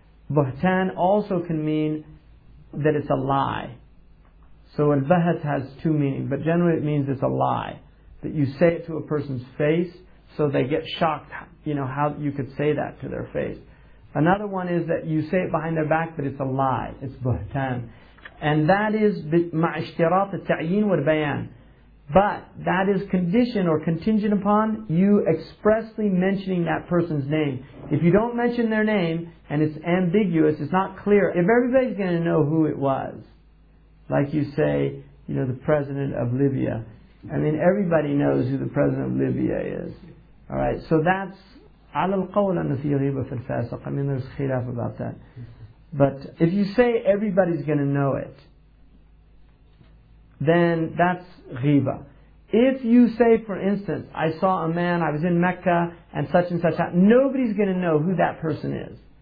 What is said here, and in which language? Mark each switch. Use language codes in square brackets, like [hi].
[en] Buhtan also can mean that it's a lie. So al-bahat has two meanings, but generally it means it's a lie. That you say it to a person's face, so they get shocked, you know, how you could say that to their face. Another one is that you say it behind their back, but it's a lie. It's buhtan. And that is [ar] مَعْ اشْتِرَاطِ التَّعْيِينِ وَالْبَيَانِ. [en] But that is conditioned or contingent upon you expressly mentioning that person's name. If you don't mention their name and it's ambiguous, it's not clear, if everybody's going to know who it was, like you say, you know, the president of Libya. I mean, everybody knows who the president of Libya is. All right, so that's [ar] عَلَى الْقَوْلَ أَنَّ فِي غِيبَةٍ فِي الْفَاسِقِ. [en] I mean, there's khilaf about that. But if you say everybody's going to know it, then that's ghiba. If you say, for instance, I saw a man, I was in Mecca, and such happened, nobody's going to know who that person is.